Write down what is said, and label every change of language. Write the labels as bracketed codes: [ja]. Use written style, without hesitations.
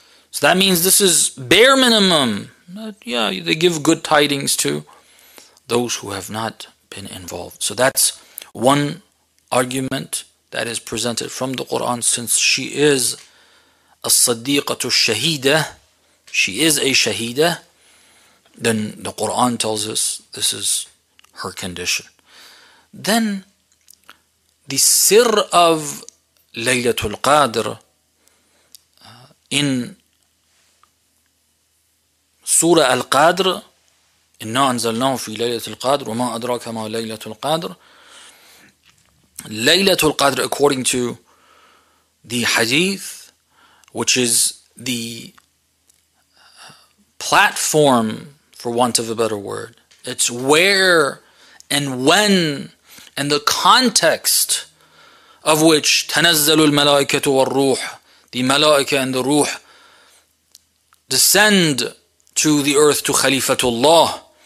[en] So that means this is bare minimum. But yeah, they give good tidings to those who have not been involved. So that's one argument that is presented from the Quran. Since she is a Siddiqatu Shahida, she is a Shahida, then the Quran tells us this is her condition. Then the sir of Laylatul Qadr in Surah Al-Qadr, [ar] إِنَّا أَنزَلْنَاهُ فِي لَيْلَةِ الْقَادْرِ وَمَا أَدْرَاكَ مَا لَيْلَةُ الْقَادْرِ. لَيْلَةُ الْقَادْرِ, [en] according to the hadith, which is the platform, for want of a better word, it's where and when and the context of which [ar] تَنَزَّلُ الْمَلَائِكَةُ وَالْرُوحِ, [en] the malaika and the ruh descend to the earth, to Khalifatullah.